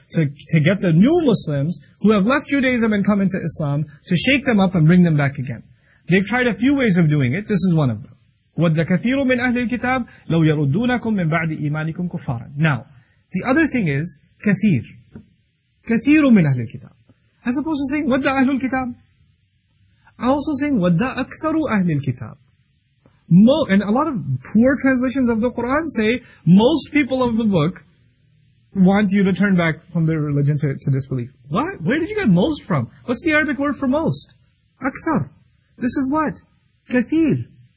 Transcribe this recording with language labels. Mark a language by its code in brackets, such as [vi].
[en] To get the new Muslims, who have left Judaism and come into Islam, to shake them up and bring them back again. They've tried a few ways of doing it. This is one of them. [ar] وَدَّ كَثِيرٌ مِنْ أَهْلِ الْكِتَابِ لَوْ يَرُدُّونَكُمْ مِنْ بَعْدِ إِيمَانِكُمْ كُفَّارًا. [en] Now, the other thing is, كَثِير. [ar] كَثِيرٌ مِنْ أَهْلِ الْكِتَابِ. [en] As opposed to saying, [ar] وَدَّ أَهْلُ الْكِتَابِ. [en] Also saying, [ar] وَدَّ أَكْثَرُ أَهْلِ الْكِتَابِ. [en] And a lot of poor translations of the Quran say, most people of the book want you to turn back from their religion to disbelief. What? Where did you get most from? What's the Arabic word for most? Akthar. This is what? Kathir.